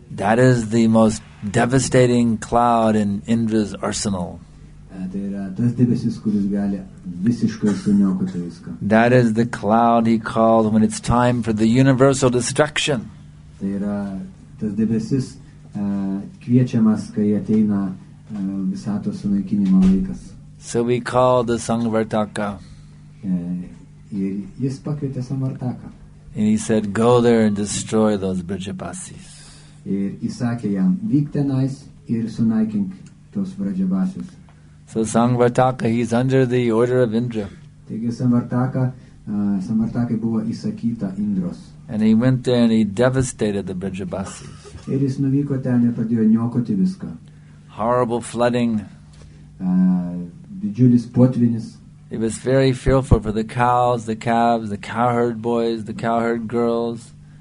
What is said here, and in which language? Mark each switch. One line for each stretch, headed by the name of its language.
English: That is the most devastating cloud in Indra's arsenal.
Lithuanian: Tai yra tas debesis, kuris gali visiškai suniokoti viską.
English: That is the cloud he called when it's time for the universal destruction.
Lithuanian: Tai yra tas debesis, kviečiamas, kai ateina visato sunaikinimo laikas.
English: So we call the Samvartaka.
Lithuanian: Jis pakvietė Samvartaka.
English: And he said, "Go there and destroy those Vrajabasis."
Lithuanian: Ir įsakė jam, vyk tenais ir sunaikink tos Vrajabasis.
English: So Samvartaka, he's under the order of Indra.
Lithuanian: Taigi Samvartakai buvo įsakyta Indros.
English: And he went there and he devastated the Vrajabasis.
Lithuanian: Ir jis nuvyko ten ir pradėjo niokoti viską.
English: Horrible flooding.
Lithuanian: Didžiulis potvinis.
English: It was very fearful for the cows, the calves, the cowherd boys, the cowherd girls.